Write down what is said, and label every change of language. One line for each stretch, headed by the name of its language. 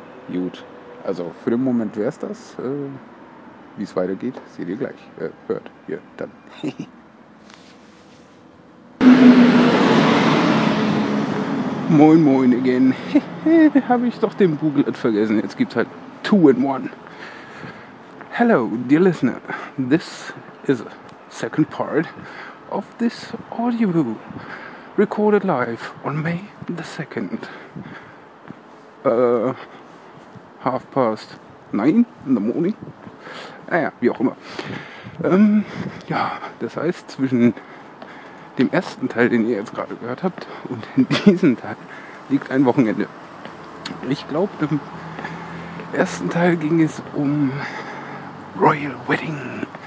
German: Gut, also für den Moment wäre es das. Wie es weitergeht, seht ihr gleich. Hört ihr dann. Moin moin again. Habe ich doch den Booklet vergessen. Jetzt gibt's halt 2-in-1.
English: Hello, dear listener. This is a second part of this audio recorded live on May the 2nd. Half past 9 in the morning.
German: Naja, wie auch immer. Ja, das heißt, zwischen dem ersten Teil, den ihr jetzt gerade gehört habt, und diesem Teil liegt ein Wochenende. Ich glaube, ersten Teil ging es um Royal Wedding.